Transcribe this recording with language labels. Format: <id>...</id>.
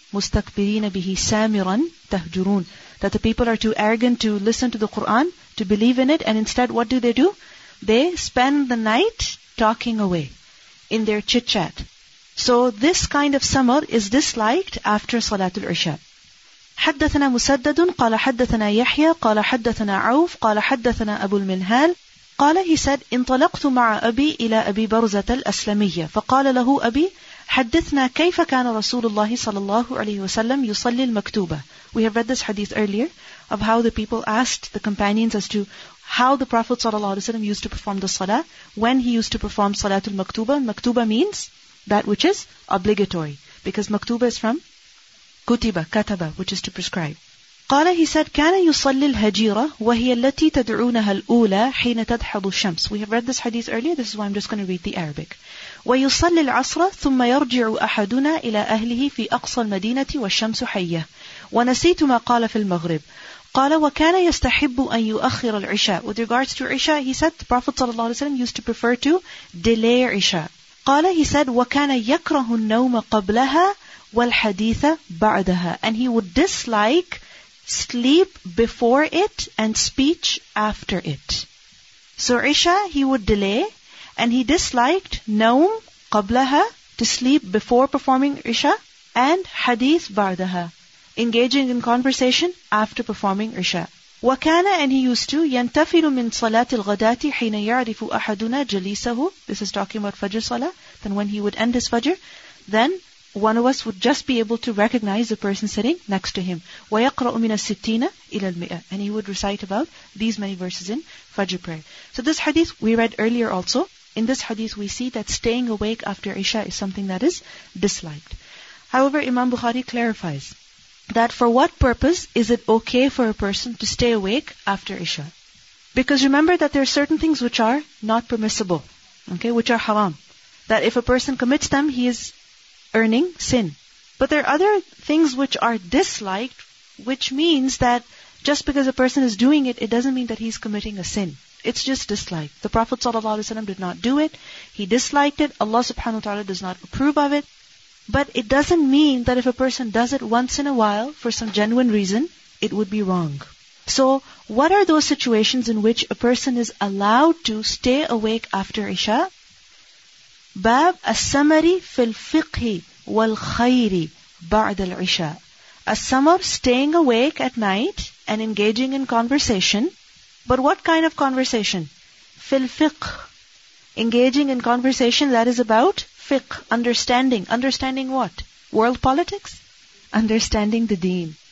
<ar>مُسْتَكْبِرِينَ بِهِ سَامِرًا تَهْجُرُونَ.</ar> <en>That the people are too arrogant to listen to the Quran, to believe in it, and instead what do they do? They spend the night talking away in their chit-chat. So this kind of samar is disliked after Salatul Isha.</en> <ar>حدثنا مسدد قال حدثنا يحيى قال حدثنا عوف قال حدثنا أبو المنهال قال</ar> <en>he said</en> <ar>انطلقت مع أبي إلى أبي برزة الأسلمية فقال له أبي حدثنا كيف كان رسول الله صلى الله عليه وسلم يصلي المكتوبة.</ar> <en>We have read this hadith earlier of how the people asked the companions as to how the Prophet ﷺ used to perform the salah, when he used to perform salatul maktuba. Maktuba means that which is obligatory, because maktuba is from kutiba, kataba, which is to prescribe.</en> <ar>قال,</ar> <en>he said,</en> <ar>كان يصلي الهجيرة وهي التي تدعونها الأولى حين تدحض الشمس.</ar> <en>We have read this hadith earlier, this is why I'm just going to read the Arabic.</en> <ar>ويصلي العصر ثم يرجع أحدنا إلى أهله في أقصى المدينة والشمس حية ونسيت ما قال في المغرب. قال وكان يستحب أن يؤخر العشاء.</ar> <en>With regards to عشاء, he said the Prophet</en> <ar>صلى الله عليه وسلم</ar> <en>used to prefer to delay عشاء.</en> <ar>قال,</ar> <en>he said,</en> <ar>وكان يكره النوم قبلها والحديث بعدها.</ar> <en>And he would dislike sleep before it and speech after it. So عشاء he would delay, and he disliked</en> <ar>نوم قبلها,</ar> <en>to sleep before performing عشاء, and</en> <ar>حديث بعدها,</ar> <en>engaging in conversation after performing عشاء.</en> <ar>وكان,</ar> <en>and he used to,</en> <ar>ينتفل من صلاة الغداة حين يعرف أحدنا جليسه.</ar> <en>This is talking about Fajr Salah. Then when he would end his Fajr, then one of us would just be able to recognize the person sitting next to him.</en> <ar>ويقرأ من الستين إلى المئة.</ar> <en>And he would recite about these many verses in Fajr prayer. So this hadith we read earlier also. In this hadith we see that staying awake after عشاء is something that is disliked. However, Imam Bukhari clarifies that for what purpose is it okay for a person to stay awake after Isha? Because remember that there are certain things which are not permissible, okay, which are haram. That if a person commits them, he is earning sin. But there are other things which are disliked, which means that just because a person is doing it, it doesn't mean that he's committing a sin. It's just dislike. The Prophet ﷺ did not do it. He disliked it. Allah subhanahu wa ta'ala does not approve of it. But it doesn't mean that if a person does it once in a while for some genuine reason, it would be wrong. So, what are those situations in which a person is allowed to stay awake after Isha?</en> <ar>باب السمر في الفقه والخير بعد العشاء.</ar> <en>A summer, staying awake at night and engaging in conversation. But what kind of conversation?</en> <ar>في الفقه.</ar> <en>Engaging in conversation that is about fiqh, understanding. Understanding what? World politics? Understanding the deen.</en>